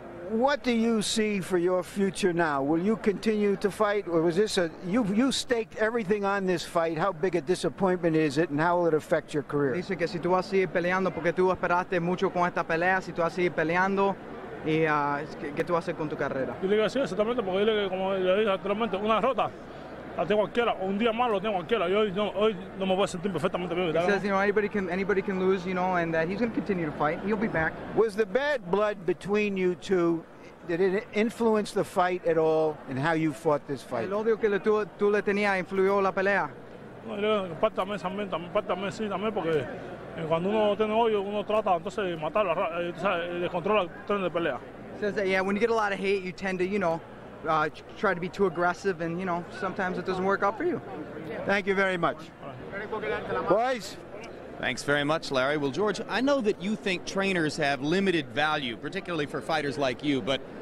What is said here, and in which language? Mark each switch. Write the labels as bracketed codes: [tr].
[en] What do you see for your future now? Will you continue to fight, or was this you staked everything on this fight? How big a disappointment is it, and how will it affect your career? [es] Dice que si tú vas a seguir peleando porque tú esperaste mucho con esta pelea, si tú vas a seguir peleando, y qué tú vas a hacer con tu carrera? Yo le digo así exactamente porque yo le digo como le dije anteriormente, una derrota la tengo cualquiera, un día malo tengo cualquiera. Yo hoy no me voy a sentir perfectamente bien. [en] He says, you know, anybody can lose, you know, and that he's going to continue to fight. He'll be back. Was the bad blood between you two, did it influence the fight at all and how you fought this fight? [es] El odio que tú le tenías influyó la pelea. No, también, porque cuando uno tiene odio, uno trata entonces de matarlo, de controlar el tren de pelea. [en] He says that, yeah, when you get a lot of hate, you tend to, you know, try to be too aggressive, and you know, sometimes it doesn't work out for you. Thank you very much. Boys. Thanks very much, Larry. Well, George, I know that you think trainers have limited value, particularly for fighters like you, but